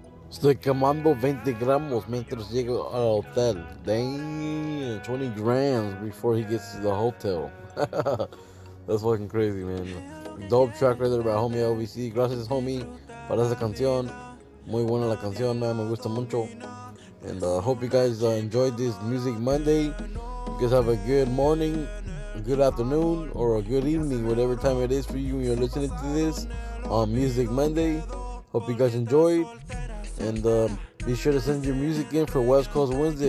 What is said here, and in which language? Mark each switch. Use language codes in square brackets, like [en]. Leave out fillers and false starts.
[es] Estoy quemando 20 gramos mientras llego al hotel. [en] Damn, 20 grams before he gets to the hotel. That's fucking crazy, man. Dope track right there by homie LBC. [es] Gracias, homie, para esa canción. Muy buena la canción, man. Me gusta mucho. [en] And I hope you guys enjoyed this Music Monday. You guys have a good morning, a good afternoon, or a good evening, whatever time it is for you when you're listening to this on Music Monday. Hope you guys enjoyed. And be sure to send your music in for West Coast Wednesday.